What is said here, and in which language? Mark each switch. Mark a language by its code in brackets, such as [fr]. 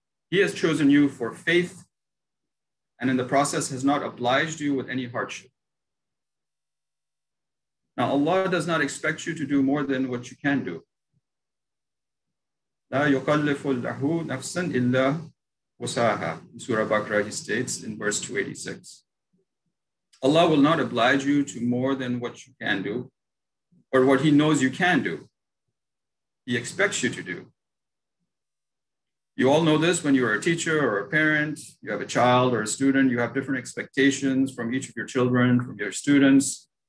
[en] He has chosen you for faith and in the process has not obliged you with any hardship. Now Allah does not expect you to do more than what you can do. [ar] لا يكلف الله نفسا إلا وسعها. [en] In Surah Baqarah, he states in verse 286. Allah will not oblige you to more than what you can do, or what he knows you can do. He expects you to do. You all know this when you're a teacher or a parent, you have a child or a student, you have different expectations from each of your children, from your students.